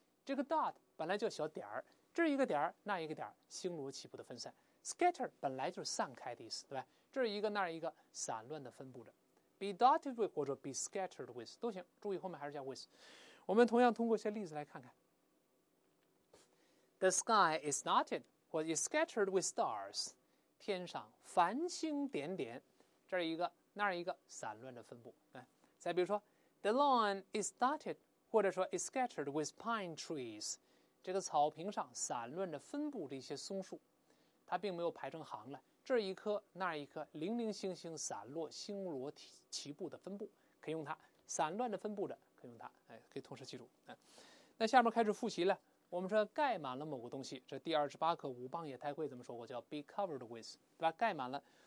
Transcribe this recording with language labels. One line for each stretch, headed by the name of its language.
Chinese: 这个 dot 本来就小点儿，这一个点儿那一个点儿，星罗棋布的分散。 scatter 本来就是散开的意思，对吧？这一个那一个，散乱的分布着。 be dotted with 或者 be scattered with 都行，注意后面还是叫 with。我们同样通过一些例子来看看。
English: The sky is dotted or is scattered with stars.
Chinese: 天上繁星点点，这一个那一个，散乱的分布。再比如说
English: The lawn is dotted
Chinese: 或者说
English: is scattered with pine trees.
Chinese: 这个草坪上散乱的分布着一些松树，它并没有排成行来，这一棵那一棵，零零星星散落，星罗棋布的分布，可以用它。散乱的分布着，可以用它，可以同时记住。那下面开始复习了。我们说盖满了某个东西，这第二十八课五磅冶钛会怎么说过，叫 be covered with， 对吧？盖满了。